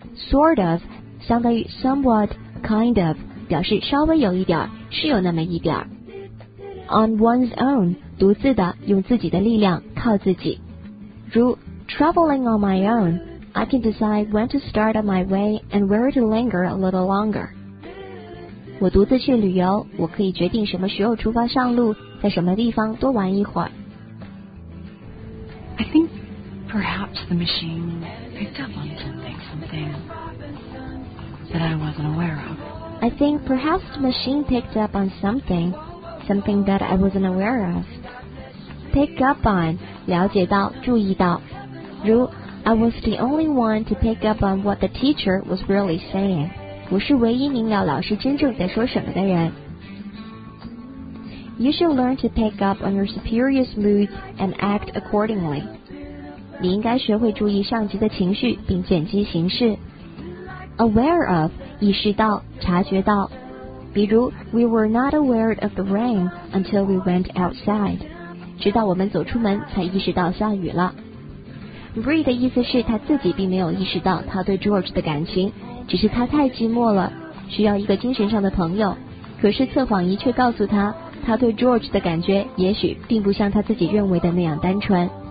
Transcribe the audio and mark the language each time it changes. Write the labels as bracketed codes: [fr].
[zh] Sort of, 相当于 somewhat, kind of, 表示稍微有一点，是有那么一点。 On one's own, 独自的，用自己的力量，靠自己。 [en] 如 traveling on my own, I can decide when to start on my way and where to linger a little longer. [zh] 我独自去旅游，我可以决定什么时候出发上路，在什么地方多玩一会儿。 [en] I think perhaps the machine picked up on something that I wasn't aware of. I think perhaps the machine picked up on something that I wasn't aware of. Pick up on, [zh] 了解到，注意到。 [en] 如 I was the only one to pick up on what the teacher was really saying. [zh] 我是唯一明了老师真正在说什么的人。 [en] You should learn to pick up on your superior's mood and act accordingly. [zh] 你应该学会注意上级的情绪并见机行事。 Aware of, 意识到，察觉到。 [en] 比如 ,We were not aware of the rain until we went outside. [zh] 直到我们走出门才意识到下雨了。Bree 的意思是他自己并没有意识到他对 George 的感情。只是他太寂寞了，需要一个精神上的朋友。可是测谎仪却告诉他，他对 George 的感觉也许并不像他自己认为的那样单纯。